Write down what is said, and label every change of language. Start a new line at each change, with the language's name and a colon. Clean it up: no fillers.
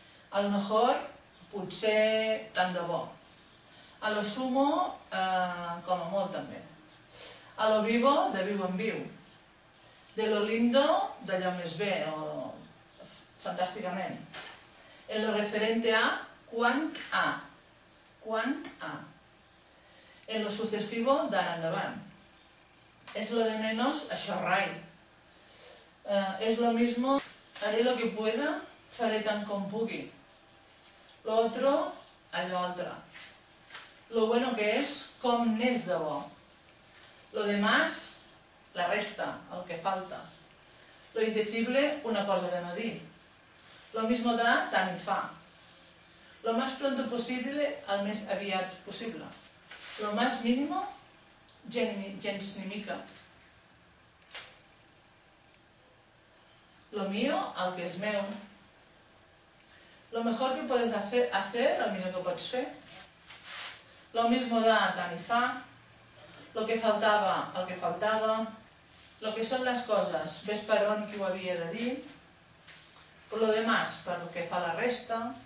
Spanish: A lo mejor,
Catalan: potser, tant de bo.
Spanish: A lo sumo,
Catalan: com a molt també.
Spanish: A lo vivo,
Catalan: de viu en viu.
Spanish: De lo lindo,
Catalan: d'allò més bé, o fantàsticament.
Spanish: En lo referente a,
Catalan: quant a. Quant a.
Spanish: En lo sucesivo,
Catalan: d'ara endavant.
Spanish: És lo de menos,
Catalan: això rai.
Spanish: Es lo mismo, haré lo que pueda,
Catalan: faré tant com pugui.
Spanish: Lo otro,
Catalan: allò altre.
Spanish: Lo bueno que és,
Catalan: com n'és de bo.
Spanish: Lo demás,
Catalan: la resta, el que falta.
Spanish: Lo indecible,
Catalan: una cosa de no dir.
Spanish: Lo mismo da,
Catalan: tant hi fa.
Spanish: Lo más pronto posible,
Catalan: el més aviat possible.
Spanish: Lo más mínimo,
Catalan: gens ni mica.
Spanish: Lo mío,
Catalan: el que és meu.
Spanish: Lo mejor que puedes hacer,
Catalan: el millor que pots fer.
Spanish: Lo mismo da,
Catalan: tant hi fa.
Spanish: Lo que faltava,
Catalan: el que faltava. Lo que són les coses, ves per on qui ho havia de dir.
Spanish: Por lo demás,
Catalan: per lo que fa la resta.